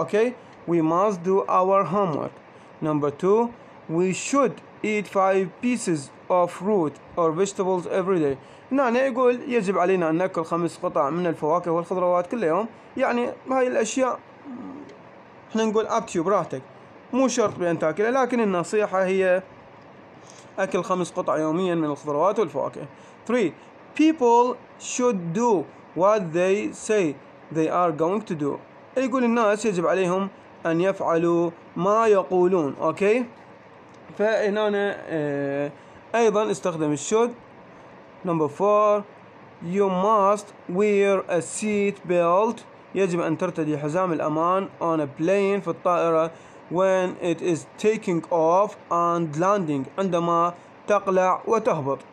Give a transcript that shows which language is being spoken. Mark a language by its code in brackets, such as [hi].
[en] Okay, we must do our homework. number 2، we should eat 5 pieces of fruit or vegetables every day. [ar] هنا يقول يجب علينا أن نأكل 5 قطع من الفواكه والخضروات كل يوم. يعني هاي الأشياء احنا نقول أبتيو براحتك، مو شرط بأن تأكلها، لكن النصيحة هي أكل 5 قطع يوميا من الخضروات والفواكه. [en] 3، people should do what they say they are going to do. [ar] يقول الناس يجب عليهم أن يفعلوا ما يقولون. أوكي، فهنا ايضا استخدم الشود. [en] Number 4، you must wear a seat belt. [ar] يجب ان ترتدي حزام الامان [en] on a plane, [ar] في الطائره، [en] when it is taking off and landing, [ar] عندما تقلع وتهبط.